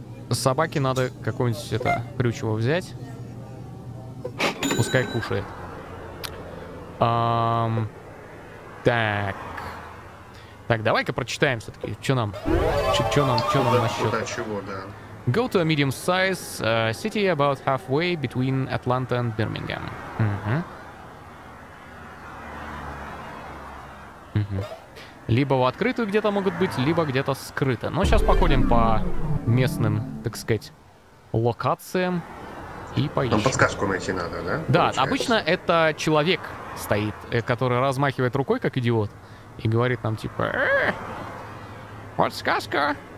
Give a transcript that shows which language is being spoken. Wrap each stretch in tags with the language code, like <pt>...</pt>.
<ru>Собаке надо какое-нибудь это прючево взять. Пускай кушает. Так. Так, давай-ка прочитаем все-таки. Что нам? Что нам, чё нам насчет? Куда чего, да.</ru> <en>Go to a medium size city about halfway between Atlanta and Birmingham.</en> <ru>Либо в открытую где-то могут быть, либо где-то скрыто. Но сейчас походим по местным, так сказать, локациям и поищем. Нам подсказку найти надо, да? Да, получается. Обычно это человек стоит, который размахивает рукой, как идиот, и говорит нам, типа, подсказка.</ru>